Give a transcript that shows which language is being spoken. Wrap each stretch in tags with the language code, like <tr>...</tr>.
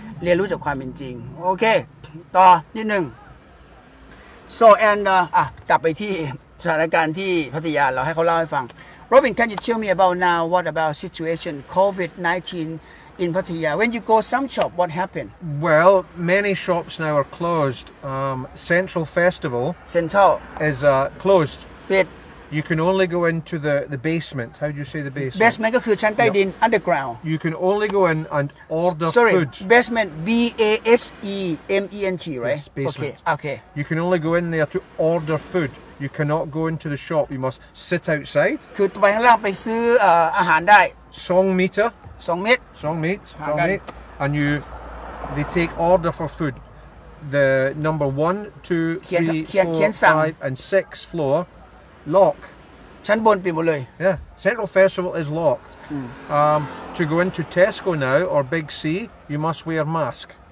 <th>เรียนรู้จากความเป็นจริงโอเคต่อนิดหนึ่ง</th> <en>so and</en> <th>กลับไปที่สถานการณ์ที่พัทยาเราให้เขาเล่าให้ฟัง</th> <en>Robin can you tell me about now what about situation COVID-19In Pattaya, when you go some shop, what happened? Well, many shops now are closed. Central Festival Central. Is closed. Bit. You can only go into the basement. How do you say the basement?</en> <th>Basement ก็คือชั้นใต้ดิน underground.</th> <en>You can only go in and order Sorry, food. Sorry, basement, B-A-S-E-M-E-N-T, right? Yes, basement. Okay. You can only go in there to order food. You cannot go into the shop. You must sit outside.</en> <th>คือไปข้างล่างไปซื้ออาหารได้</th> <en>Song meter. Song meat. Song meat. Song meat. And you, they take order for food. The number 1, 2, 3, 4, 5, and 6 floor, lock.</en> <th>ชั้นบนปิดหมดเลย</th> <en>Yeah. Central Festival is locked. To go into Tesco now or Big C, you must wear mask.</en>